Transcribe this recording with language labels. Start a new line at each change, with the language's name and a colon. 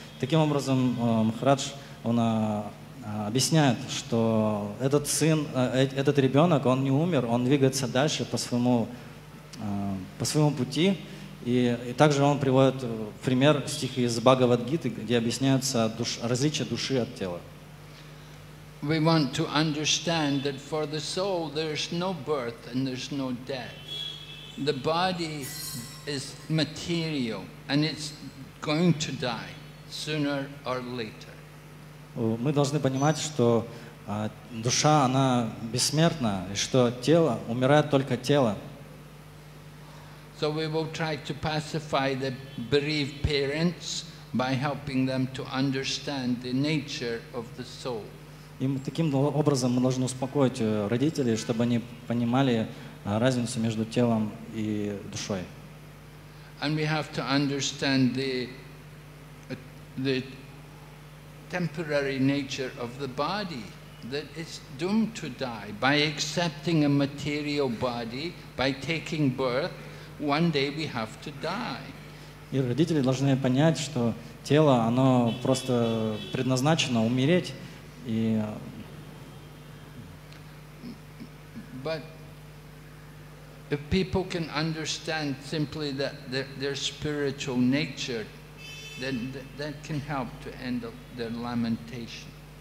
Russian: Таким образом, Махарадж, он объясняет, что этот сын, этот ребенок, он не умер, он двигается дальше по своему пути. И также он приводит пример стихи из Бхагавад-гиты, где объясняются различия души от тела.
English: We want to understand that for the soul there's no birth and there's no death. The body is material and it's going to die sooner or later.
Russian: Мы должны понимать, что душа, она бессмертна, и что тело умирает только тело.
English: So we will try to pacify the bereaved parents by helping them to understand the nature of the soul.
Russian: И таким образом мы должны успокоить родителей, чтобы они понимали разницу между телом и душой.
English: And we have to understand the temporary nature of the body, that it's doomed to die. By accepting a material body, by taking birth, one day we have to die.
Russian: И родители должны понять, что тело, оно просто предназначено умереть. И
English: but if people can understand simply that their spiritual nature, then that can help to end their lamentation.